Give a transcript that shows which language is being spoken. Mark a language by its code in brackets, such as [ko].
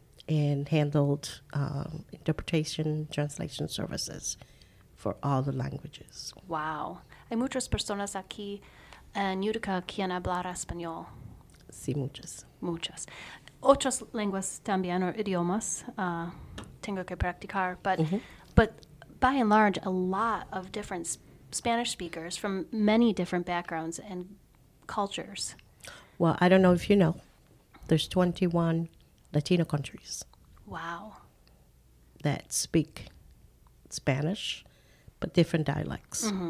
[en] And handled interpretation, translation services for all the languages. Wow. [es] Hay muchas personas aquí en Utica quien hablar español. Sí, muchas. Muchas. Otras lenguas también, o idiomas, tengo que practicar. [en] But, but by and large, a lot of different Spanish speakers from many different backgrounds and cultures. Well, I don't know if you know, there's 21 Latino countries. Wow. That speak Spanish, but different dialects.